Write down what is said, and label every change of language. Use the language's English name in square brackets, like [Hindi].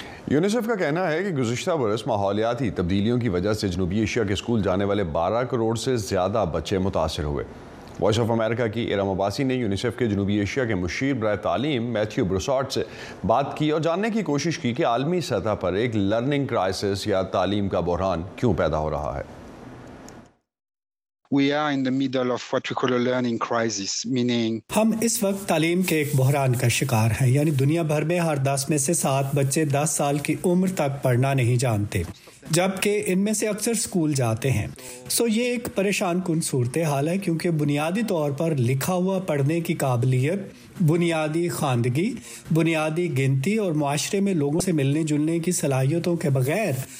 [Urdu] UNICEF کا کہنا ہے کہ گزشتہ برس ماحولیاتی تبدیلیوں کی وجہ سے جنوبی ایشیا کے اسکول جانے والے 12 کروڑ سے زیادہ بچے متاثر ہوئے۔ وائس آف امریکہ کی ارم عباسی نے یونیسیف کے جنوبی ایشیا کے مشیر برائے تعلیم میتھیو بروسارٹ سے بات کی اور جاننے کی کوشش کی کہ عالمی سطح پر ایک لرننگ کرائسس یا تعلیم کا بحران کیوں پیدا ہو رہا ہے۔ [English] We are in the middle of what we call a learning crisis, meaning [Urdu] ہم اس وقت تعلیم کے ایک بحران کا شکار ہیں، یعنی دنیا بھر میں ہر 10 میں سے 7 بچے 10 سال کی عمر تک پڑھنا نہیں جانتے، جبکہ ان میں سے اکثر اسکول جاتے ہیں۔ سو یہ ایک پریشان کن صورتحال ہے، کیونکہ بنیادی طور پر لکھا ہوا پڑھنے کی قابلیت، بنیادی خواندگی، بنیادی گنتی اور معاشرے میں لوگوں سے ملنے جلنے کی صلاحیتوں کے بغیر